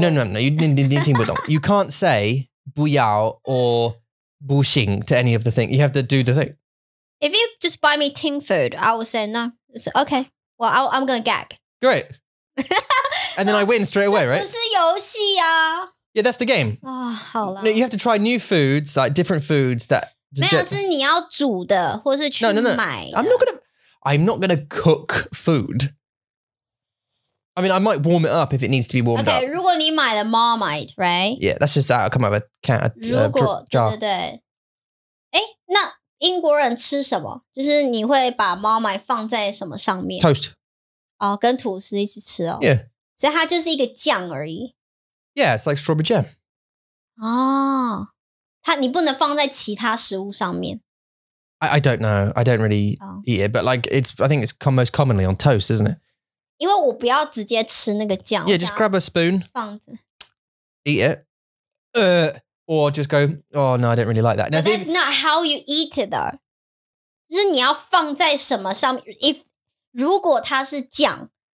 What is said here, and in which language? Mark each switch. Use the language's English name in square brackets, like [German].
[English] No, you [Chinese] 听不懂 [English] You can't say 不要 or 不行 to any of the things You have to do the thing If you just buy me Ting Fu I will say no It's okay Well, I'm gonna gag Great And then I win straight away, right? [Chinese] 这不是游戏啊 [English] Yeah, that's the game. [Chinese] Oh, 好啦 [English] No, you have to try new foods, like different foods that... [Chinese] 没有,是你要煮的,或是去买的。 [English] I'm not gonna cook food. I mean, I might warm it up if it needs to be warmed [Chinese] up. Okay, 如果你买了 Marmite, right? [English] Yeah, that's just out of a can, a jar. [Chinese] 如果,对对对。诶,那英国人吃什么? 就是你会把 Marmite 放在什么上面? [English] Toast. [Chinese] 哦,跟吐司一起吃哦。 [English] Yeah. [Chinese] 所以它就是一个酱而已。 [English] Yeah, it's like strawberry jam. [Chinese] Oh, 它你不能放在其他食物上面。 [English] I don't know. I don't really eat it, but like it's. I think it's most commonly on toast, isn't it? [Chinese] 因为我不要直接吃那个酱。 [English] Yeah, just grab a spoon. [Chinese] 放着。 [English] Eat it. Or just go. Oh no, I don't really like that. Now, that's not how you eat it, though. [Chinese] 就是你要放在什么上面 ？If 如果它是酱。